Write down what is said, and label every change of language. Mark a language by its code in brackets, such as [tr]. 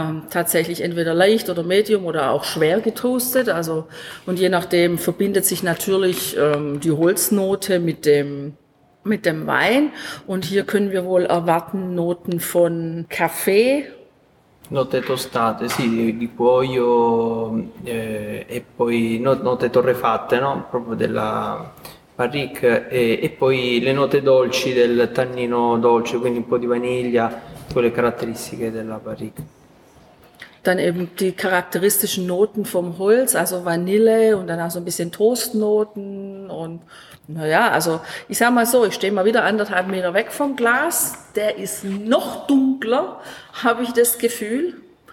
[de] tatsächlich entweder leicht oder medium oder auch schwer getoastet, also, und je nachdem verbindet sich natürlich die Holznote mit dem Wein, und hier können wir wohl erwarten Noten von Kaffee. [it] Note tostate, sì, di cuoio e poi note torrefatte, no? Proprio della barrique e poi le note dolci del tannino dolce, quindi un po' di vaniglia, quelle caratteristiche della barrique. [de] Dann eben die caratteristischen Noten vom Holz, also Vanille und dann auch so ein bisschen Toastnoten und naja, also ich sag mal so, ich stehe mal wieder 1,5 Meter weg vom Glas, der ist noch dunkler, habe ich das Gefühl.